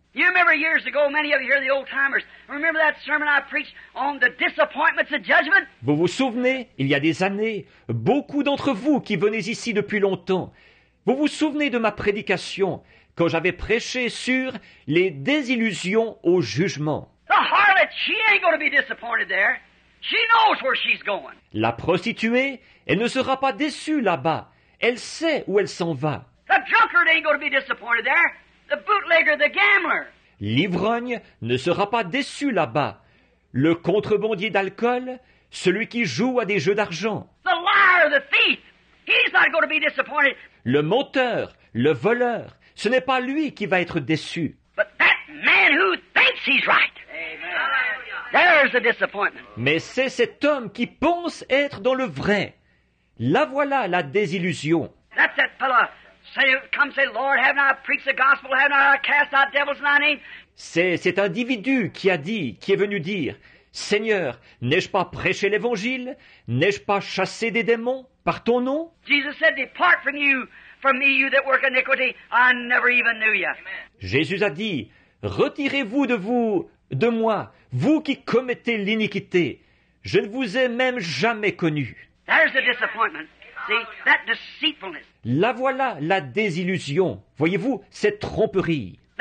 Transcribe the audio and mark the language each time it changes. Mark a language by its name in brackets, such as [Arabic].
[English] You remember years ago, many of you here, the old timers, remember that sermon I preached on the disappointments of judgment? [French] Vous vous souvenez, il y a des années, beaucoup d'entre vous qui venez ici depuis longtemps, vous vous souvenez de ma prédication quand j'avais prêché sur les désillusions au jugement. [English] The harlot, she ain't going to be disappointed there. She knows where she's going. [French] La prostituée, elle ne sera pas déçue là-bas. Elle sait où elle s'en va. [English] The drunkard ain't going to be disappointed there. The bootlegger, the gambler. [French] L'ivrogne ne sera pas déçu là-bas. Le contrebandier d'alcool, celui qui joue à des jeux d'argent. [English] The liar, the thief, he's not going to be disappointed. [French] Le menteur, le voleur, ce n'est pas lui qui va être déçu. [English] But that man who thinks he's right. Amen. There's a disappointment. [French] Mais c'est cet homme qui pense être dans le vrai. Là voilà la désillusion. [English] That's that fellow. Come say, Lord, haven't I preached the gospel? Haven't I cast out devils in thy name? [French] C'est cet individu qui a dit, qui est venu dire, Seigneur, n'ai-je pas prêché l'évangile? N'ai-je pas chassé des démons par ton nom? [English] Jesus said, Depart from you, from me, you that work iniquity. I never even knew you. [French] Jésus a dit, Retirez-vous de vous, de moi, vous qui commettez l'iniquité. Je ne vous ai même jamais connu. [English] There's a disappointment. See, that deceitfulness. [French] La voilà, la désillusion. Voyez-vous, cette tromperie.